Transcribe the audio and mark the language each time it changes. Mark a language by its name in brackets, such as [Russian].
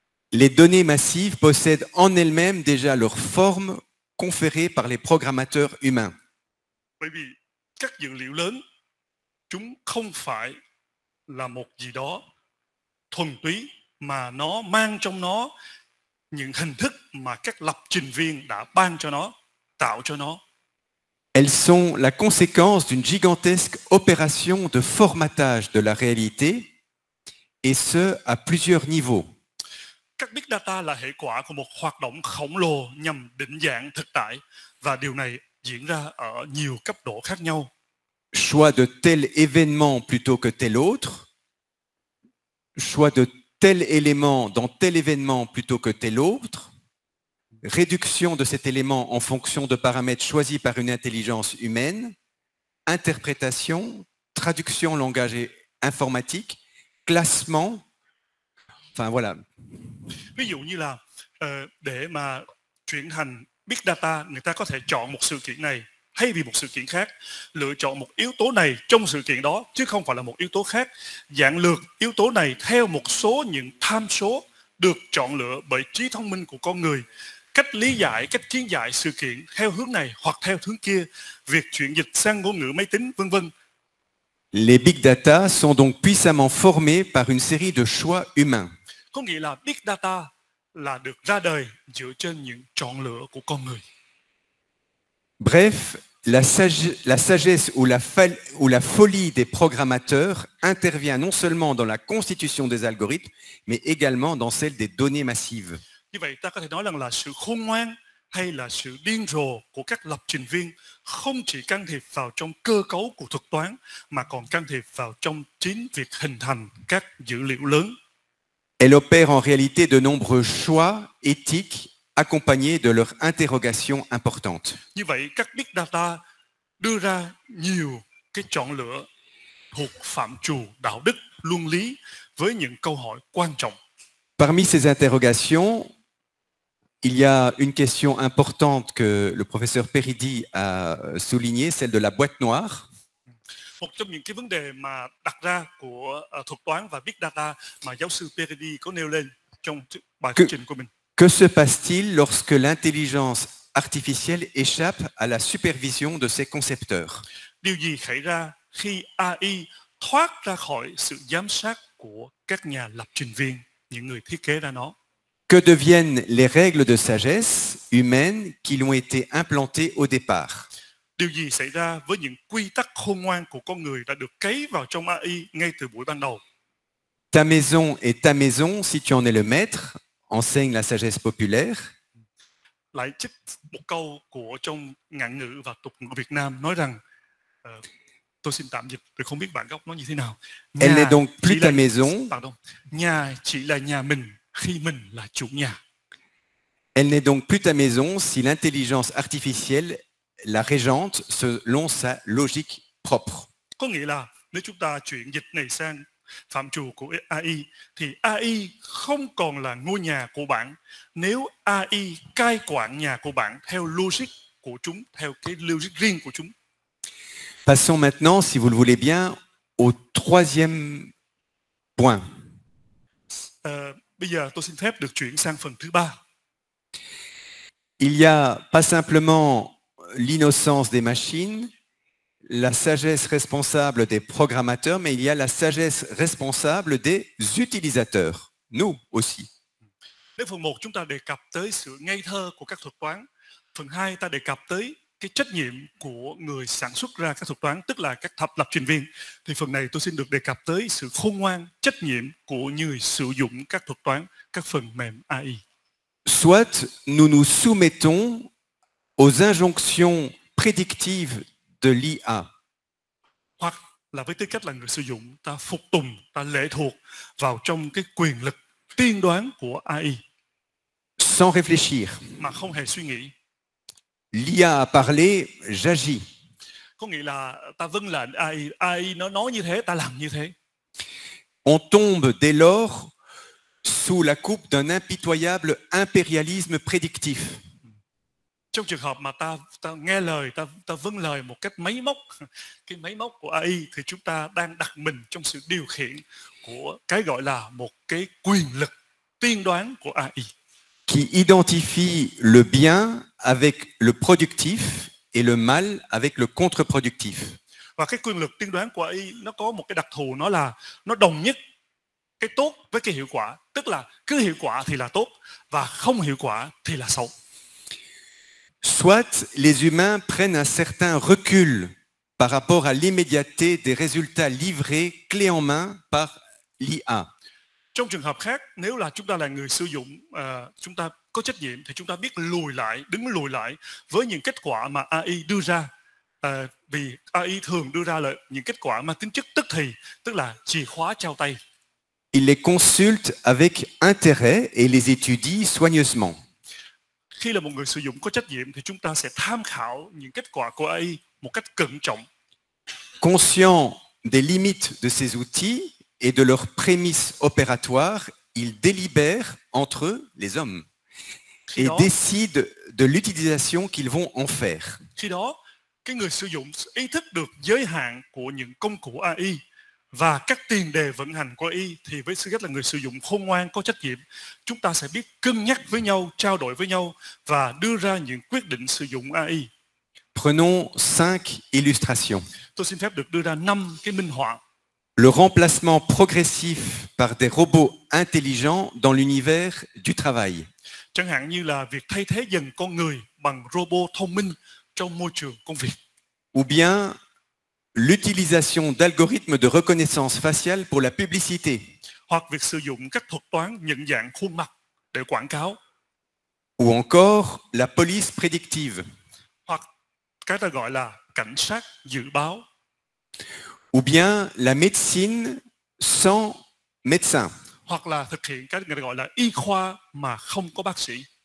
[French] Les données massives possèdent en elles-mêmes déjà leur forme conférée par les programmateurs humains. [Vietnamese] Bởi vì các dữ liệu lớn, chúng không phải là một gì đó thuần túy, mà nó mang trong nó những hình thức mà các lập trình viên đã ban cho nó, tạo cho nó. [French] Elles sont la conséquence d'une gigantesque opération de formatage de la réalité, et ce, à plusieurs niveaux. [Vietnamese] Các big data là hệ quả của một hoạt động khổng lồ nhằm định dạng thực tại, và điều này diễn ra ở nhiều cấp độ khác nhau. [French] Choix de tel événement plutôt que tel autre, choix de tel élément dans tel événement plutôt que tel autre, réduction de cet élément en fonction de paramètres choisis par une intelligence humaine, interprétation, traduction langage et informatique, classement, enfin voilà. [Vietnamese] Ví dụ như là để mà chuyển thành big data, người ta có thể chọn một sự kiện này thay vì một sự kiện khác, lựa chọn một yếu tố này trong sự kiện đó chứ không phải là một yếu tố khác, dạng lược yếu tố này theo một số những tham số được chọn lựa bởi trí thông minh của con người, cách lý giải, cách kiến giải sự kiện theo hướng này hoặc theo hướng kia, việc chuyển dịch sang ngôn ngữ máy tính, vân vân. [French] Les big data sont donc puissamment formés par une série de choix humains. [Vietnamese] Có nghĩa là big data là được ra đời dựa trên những chọn lựa của con người. [French] Bref, la sagesse ou la folie des programmateurs intervient non seulement dans la constitution des algorithmes, mais également dans celle des données massives. [Vietnamese] Như vậy, ta có thể nói rằng là sự khôn ngoan hay là sự điên rồ của các lập trình viên không chỉ can thiệp vào trong cơ cấu của thuật toán, mà còn can thiệp vào trong chính việc hình thành các dữ liệu lớn. [French] Elle opère en réalité de nombreux choix éthiques accompagnés de leurs interrogations importantes. [Vietnamese] Như vậy, các big data đưa ra nhiều cái chọn lựa thuộc phạm trù đạo đức, luân lý với những câu hỏi quan trọng. [French] Parmi ces interrogations, il y a une question importante que le professeur Peridi a soulignée, celle de la boîte noire. [Vietnamese] Một trong những cái vấn đề mà đặt ra của thuật toán và big data mà giáo sư Peridi có nêu lên trong bài thuyết trình của mình. [French] Que se passe-t-il lorsque l'intelligence artificielle échappe à la supervision de ses concepteurs? [Vietnamese] Điều gì xảy ra khi AI thoát ra khỏi sự giám sát của các nhà lập trình viên, những người thiết kế ra nó? [French] Que deviennent les règles de sagesse humaine qui l'ont été implantées au départ? [Vietnamese] Điều gì xảy ra với những quy tắc khôn ngoan của con người đã được cấy vào trong AI ngay từ buổi ban đầu? [French] Ta maison est ta maison si tu en es le maître, enseigne la sagesse populaire. [Vietnamese] Lại trích một câu của trong ngạn ngữ và tục ngữ Việt Nam nói rằng, tôi xin tạm dịch, tôi không biết bản gốc nó như thế nào. [French] Elle n'est donc plus ta maison. [Vietnamese] Pardon, nhà chỉ là nhà mình khi mình là chủ nhà. [French] Elle n'est donc plus ta maison si l'intelligence artificielle la régente selon sa logique propre. [Vietnamese] Có nghĩa là nếu chúng ta chuyển dịch này sang phạm trù của AI thì AI không còn là ngôi nhà của bạn nếu AI cai quản nhà của bạn theo logic của chúng, theo cái logic riêng của chúng. [French] Passons maintenant, si vous le voulez bien, au troisième point. [Vietnamese] Bây giờ tôi xin phép được chuyển sang phần thứ ba. [French] Il y a pas simplement l'innocence des machines, la sagesse responsable des programmateurs, mais il y a la sagesse responsable des utilisateurs, nous aussi. Dans [Vietnamese] phần 1, chúng ta đề cập tới sự ngây thơ của các thuật toán. Phần 2, ta đề cập tới cái trách nhiệm của người sản xuất ra các thuật toán, tức là các thập lập trình viên. Thì phần này tôi xin được đề cập tới sự khôn ngoan, trách nhiệm của người sử dụng các thuật toán, các phần mềm AI. [French] Soit nous nous soumettons aux injonctions prédictives de l'IA. [Vietnamese] Hoặc là với tư cách là người sử dụng, ta phục tùng, ta lệ thuộc vào trong cái quyền lực tiên đoán của AI. [French] Sans réfléchir. [Vietnamese] Mà không hề suy nghĩ. [French] L'IA a parlé, j'agis. [Vietnamese] Có nghĩa là ta vâng lệnh AI, AI nó nói như thế, ta làm như thế. [French] On tombe dès lors sous la coupe d'un impitoyable impérialisme prédictif. [Vietnamese] Trong trường hợp mà ta nghe lời, ta vâng lời một cách máy móc, cái máy móc của AI, thì chúng ta đang đặt mình trong sự điều khiển của cái gọi là một cái quyền lực tiên đoán của AI. [French] Qui identifie le bien avec le productif et le mal avec le contre-productif. [Vietnamese] Và cái quyền lực tiên đoán của AI, nó có một cái đặc thù, nó là nó đồng nhất cái tốt với cái hiệu quả. Tức là cứ hiệu quả thì là tốt và không hiệu quả thì là xấu. [French] Soit les humains prennent un certain recul par rapport à l'immédiateté des résultats livrés clé en main par l'IA. [Vietnamese] Trong trường hợp khác, nếu là chúng ta là người sử dụng, chúng ta có trách nhiệm thì chúng ta biết lùi lại, đứng lùi lại với những kết quả mà AI đưa ra. Vì AI thường đưa ra lại những kết quả mà tính chất tức thì, tức là chìa khóa trao tay. [French] Il les consulte avec intérêt et les étudie soigneusement. [Vietnamese] Khi là một người sử dụng có trách nhiệm thì chúng ta sẽ tham khảo những kết quả của AI một cách cẩn trọng. [French] Conscient des limites de ces outils et de leurs prémices opératoires, ils délibèrent entre eux, les hommes, et décident de l'utilisation qu'ils vont en faire. [Vietnamese] Khi đó, cái người sử dụng ý thức được giới hạn của những công cụ AI và các tiền đề vận hành của AI thì với tư cách là người sử dụng khôn ngoan có trách nhiệm, chúng ta sẽ biết cân nhắc với nhau, trao đổi với nhau và đưa ra những quyết định sử dụng AI. [French] Prenons 5 illustrations. [Vietnamese] Tôi xin phép được đưa ra 5 cái minh họa. [French] Le remplacement progressif par des robots intelligents dans l'univers du travail. [Vietnamese] Chẳng hạn như là việc thay thế dần con người bằng robot thông minh trong môi trường công việc. [French] Ou bien l'utilisation d'algorithmes de reconnaissance faciale pour la publicité. [Vietnamese] Hoặc việc sử dụng các thuật toán nhận dạng khuôn mặt để quảng cáo. [French] Ou encore la police prédictive. [Vietnamese] Hoặc cái ta gọi là cảnh sát dự báo. [French] Ou bien la médecine sans médecin. [Vietnamese] Hoặc là thực hiện cái người gọi là y khoa mà không có bác sĩ.